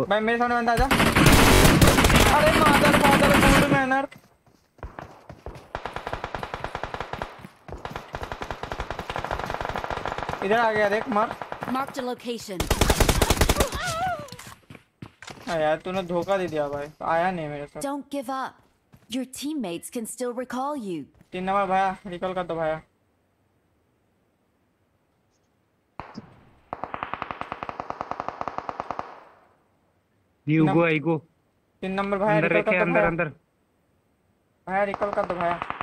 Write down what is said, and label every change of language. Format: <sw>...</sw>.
<hi>भाई मेरे सामने बंदा आ जा। अरे मादर मादर बोल मैनर। इधर आ गया देख मार।</hi> <en>Marked a location.</en> <hi>यार तूने धोखा दे दिया भाई, आया नहीं मेरे साथ।</hi> <en>Don't give up. Your teammates can still recall you.</en> <hi>तीन नंबर भाया रिकॉल कर दो भाया।</hi> <en>You go, I go.</en> <hi>तीन नंबर भाया रिकॉल कर दो भाया। अंदर अंदर। भाया रिकॉल कर दो भाया।</hi>